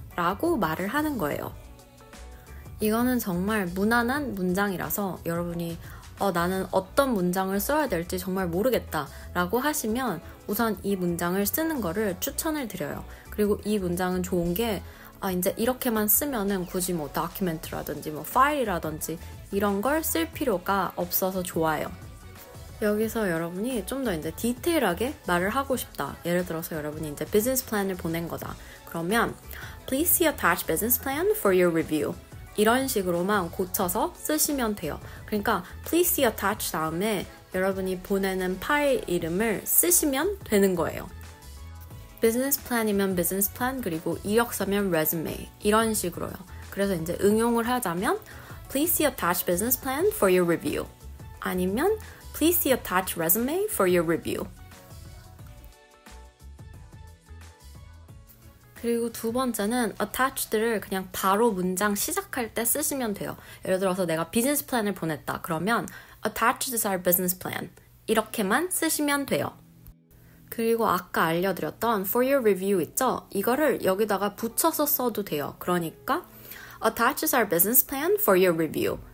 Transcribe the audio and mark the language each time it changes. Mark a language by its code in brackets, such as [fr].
[ko] 라고 말을 하는 거예요. 이거는 정말 무난한 문장이라서 여러분이 나는 어떤 문장을 써야 될지 정말 모르겠다 라고 하시면 우선 이 문장을 쓰는 거를 추천을 드려요. 그리고 이 문장은 좋은 게 이제 이렇게만 쓰면은 굳이 뭐 document라든지 뭐 file라든지 이런 걸 쓸 필요가 없어서 좋아요. 여기서 여러분이 좀 더 이제 디테일하게 말을 하고 싶다. 예를 들어서 여러분이 이제 business plan을 보낸 거다. [en] 그러면 please see attached business plan for your review. [ko] 이런 식으로만 고쳐서 쓰시면 돼요. 그러니까 [en] please see attached [ko] 다음에 여러분이 보내는 파일 이름을 쓰시면 되는 거예요. business plan이면 business plan 그리고 이력서면 resume 이런 식으로요. 그래서 이제 응용을 하자면 [en] please see attached business plan for your review [ko] 아니면 [en] please see attached resume for your review. [ko] 그리고 두 번째는 attached를 그냥 바로 문장 시작할 때 쓰시면 돼요. 예를 들어서 내가 비즈니스 플랜을 보냈다. [en] 그러면 attached is our business plan. [ko] 이렇게만 쓰시면 돼요. 그리고 아까 알려드렸던 for your review 있죠? 이거를 여기다가 붙여서 써도 돼요. 그러니까 [en] attached is our business plan for your review.